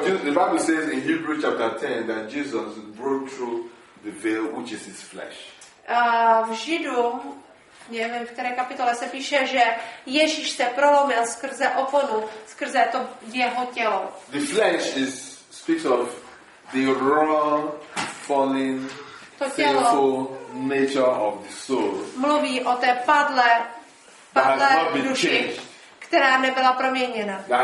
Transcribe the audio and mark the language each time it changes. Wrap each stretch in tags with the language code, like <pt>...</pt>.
<en>The Bible says in Hebrews chapter 10 that Jesus broke through the veil which is his flesh.</en> <cs>V Židu, nevím, v které kapitole se píše, že Ježíš se prolomil skrze oponu, skrze to jeho tělo.</cs> <en>The flesh is speaks of the raw fallen sinful nature of the soul.</en> <cs>Mluví o té padlé duši, která nebyla proměněna.</cs>